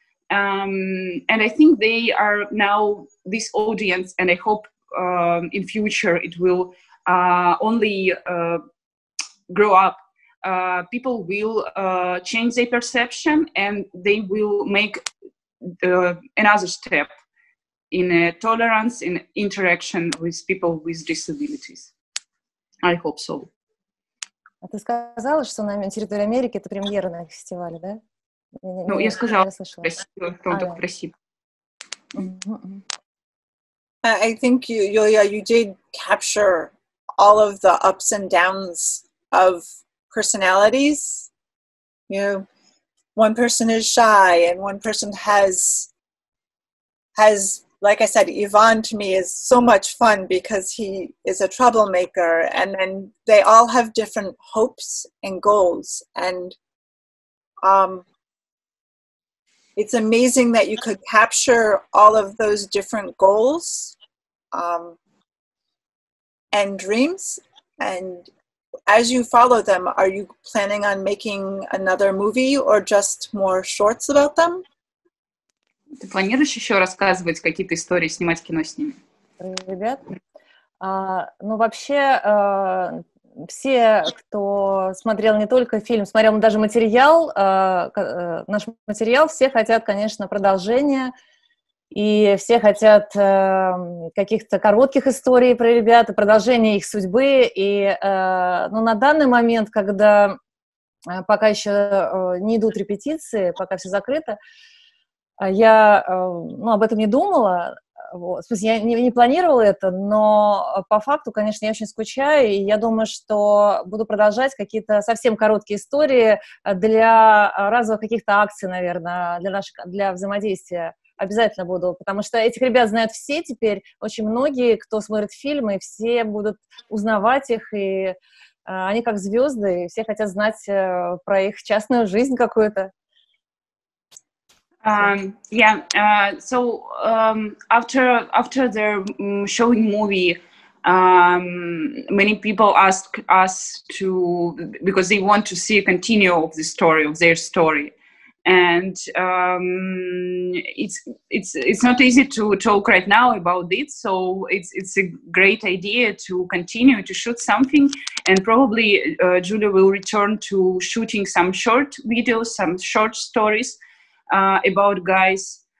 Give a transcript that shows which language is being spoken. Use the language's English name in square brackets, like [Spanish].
[English] And I think they are now this audience, and I hope in future it will only grow up. People will change their perception, and they will make another step in tolerance, in interaction with people with disabilities. I hope so. [Russian] А ты сказала, что на территории Америки это премьера на фестивале, да? Ну, я сказала, спасибо, в том, так спросил. [English] I think you, Julia, you did capture all of the ups and downs of personalities. You know, one person is shy and one person has, like I said, Ivan to me is so much fun because he is a troublemaker, and then they all have different hopes and goals. And it's amazing that you could capture all of those different goals and dreams. And as you follow them, are you planning on making another movie or just more shorts about them? [Russian] Ты планируешь еще рассказывать какие-то истории, снимать кино с ними? Ребят, ну вообще все, кто смотрел не только фильм, смотрел даже материал, наш материал, все хотят, конечно, продолжения, и все хотят каких-то коротких историй про ребят, продолжения их судьбы, и ну, на данный момент, когда пока еще не идут репетиции, пока все закрыто, я, ну, об этом не думала, вот. В смысле, я не планировала это, но по факту, конечно, я очень скучаю, и я думаю, что буду продолжать какие-то совсем короткие истории для разовых каких-то акций, наверное, для взаимодействия. Обязательно буду, потому что этих ребят знают все теперь, очень многие, кто смотрит фильмы, все будут узнавать их, и они как звезды, и все хотят знать про их частную жизнь какую-то. [English] After the showing movie, many people ask us to, because they want to see a continue of the story, of their story. And it's not easy to talk right now about it, so it's a great idea to continue to shoot something, and probably Julia will return to shooting some short videos, some short stories about guys.